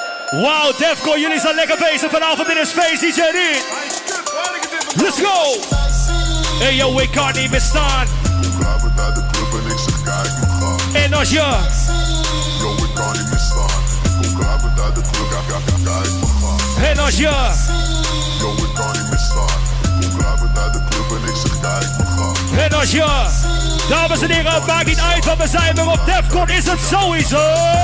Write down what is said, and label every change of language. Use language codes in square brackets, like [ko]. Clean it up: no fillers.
[nl] Wow, Defcon, jullie zijn lekker bezig vanavond in een space, DJ Reed. [en] Let's go. Hey yo, we can't even stand. [nl] En als je... Yo, we kan niet meer staan. Kom klaar met uit de club, ga ik mijn gang. En als je... Yo, we kan niet meer staan. Kom klaar met uit de club en ik zeg, ga ik mijn gang. En als je... Dames en heren, maakt niet uit wat we zijn, maar op Defcon is het sowieso...